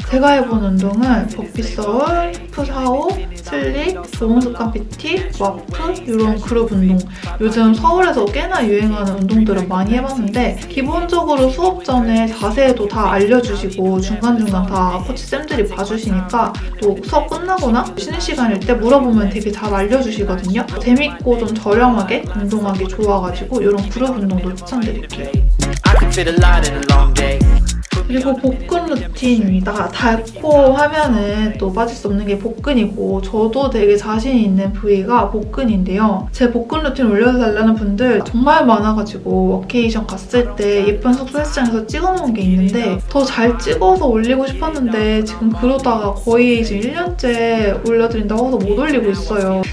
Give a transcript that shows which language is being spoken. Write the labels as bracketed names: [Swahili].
[Korean] 제가 해본 운동은 버피서울, 푸사오, 슬립, 좋은습관 PT, 와프 이런 그룹 운동, 요즘 서울에서 꽤나 유행하는 운동들을 많이 해봤는데, 기본적으로 수업 전에 자세도 다 알려주시고 중간중간 다 코치쌤들이 봐주시니까 또 수업 끝나거나 쉬는 시간일 때 물어보면 되게 잘 알려주시거든요. 재밌고 좀 저렴하게 운동하기 좋아가지고 이런 그룹 운동도 추천드릴게요. [English] I can fit a lot in a long day. [Korean] 그리고 복근 루틴입니다. 닳고 하면은 또 빠질 수 없는 게 복근이고, 저도 되게 자신 있는 부위가 복근인데요. 제 복근 루틴 올려달라는 분들 정말 많아가지고 워케이션 갔을 때 예쁜 숙소 헬스장에서 찍어놓은 게 있는데 더 잘 찍어서 올리고 싶었는데 지금 그러다가 거의 지금 1년째 올려드린다고 해서 못 올리고 있어요.